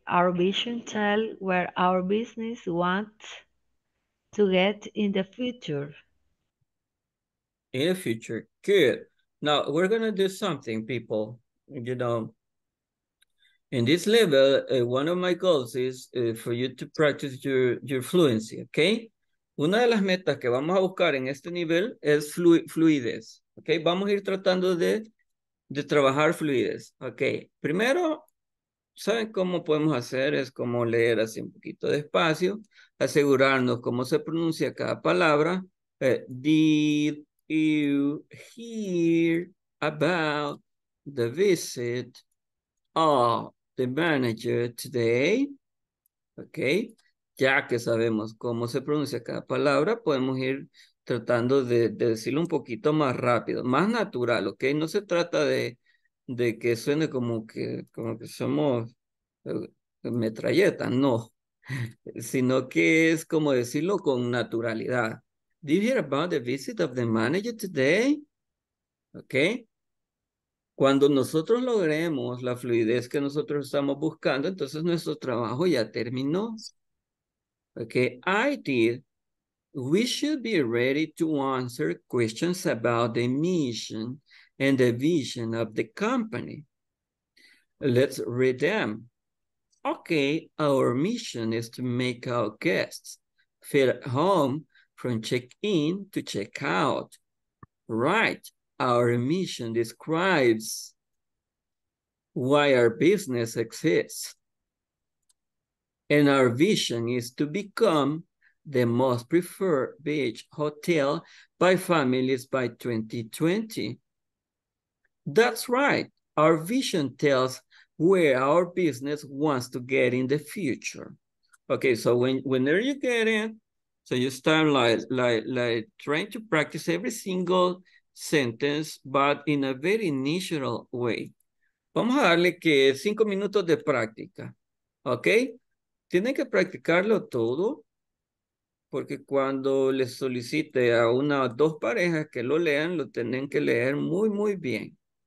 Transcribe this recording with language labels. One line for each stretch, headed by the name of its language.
English: Our vision tells where our business wants to get in the future. In the future, good. Now, we're going to do something, people. You know, in this level, one of my goals is for you to practice your fluency, okay?
Spanish: Una de las metas que vamos a buscar en este nivel es fluidez, okay? Vamos a ir tratando de trabajar fluidez, okay? Primero, ¿Saben cómo podemos hacer? Es como leer así un poquito despacio, asegurarnos cómo se pronuncia cada palabra.
English: Did you hear about the visit of the manager today? Okay.
Spanish: Ya que sabemos cómo se pronuncia cada palabra, podemos ir tratando de decirlo un poquito más rápido, más natural, ¿ok? No se trata de que suene como que somos metralleta, no. Sino que es como decirlo con naturalidad.
English: Did you hear about the visit of the manager today?
Spanish: ¿Ok? Cuando nosotros logremos la fluidez que nosotros estamos buscando, entonces nuestro trabajo ya terminó.
English: Ok, I did. We should be ready to answer questions about the mission and the vision of the company. Let's read them. Okay, our mission is to make our guests feel at home from check-in to check-out. Right, our mission describes why our business exists. And our vision is to become the most preferred beach hotel by families by 2020. That's right. Our vision tells where our business wants to get in the future. Okay, so whenever you get in, so you start like trying to practice every single sentence, but in a very natural way.
Spanish: Vamos a darle que 5 minutos de práctica. Okay? Tienen que practicarlo todo, porque cuando les solicite a una o dos parejas que lo lean, lo tienen que leer muy, muy bien.